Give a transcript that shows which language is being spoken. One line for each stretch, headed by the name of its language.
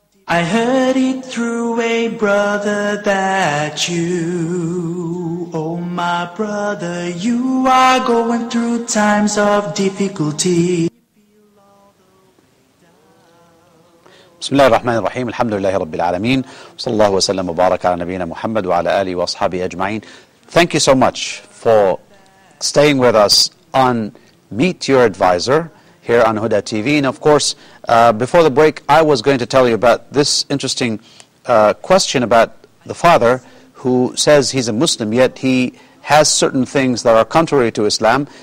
English: I heard it through a brother that you, oh my brother, you are going through times of difficulty.
Arabic: بسم الله الرحمن الرحيم الحمد لله رب العالمين صلى الله وسلم وبارك على نبينا محمد وعلى آله وأصحابه أجمعين.
English: Thank you so much for staying with us on Meet Your Advisor here on Huda TV. And of course, before the break, I was going to tell you about this interesting question about the father who says he's a Muslim, yet he has certain things that are contrary to Islam.